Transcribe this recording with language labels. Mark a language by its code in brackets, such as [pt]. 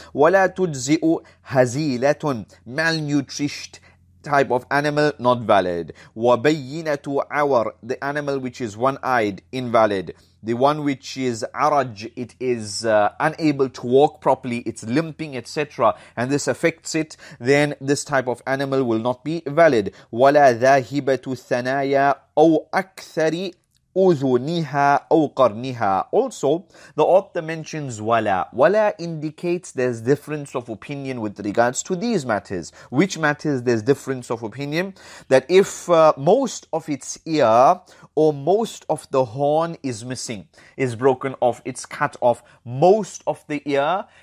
[ar] وَلَا تُجْزِئُ هَزِيلَةٌ [en] Malnutrished type of animal, not valid. [ar] وَبَيِّنَةُ عَوَرٍ [en] The animal which is one-eyed, invalid. The one which is araj, it is unable to walk properly, it's limping, etc. And this affects it, then this type of animal will not be valid. [ar] وَلَا ذَاهِبَةُ الثَّنَايَا أَوْ أَكْثَرِ أُذُنِهَا أَوْ قَرْنِهَا [en] Also, the author mentions wala. Wala indicates there's difference of opinion with regards to these matters. Which matters there's difference of opinion? That if most of its ear or most of the horn is missing, is broken off, it's cut off, most of the ear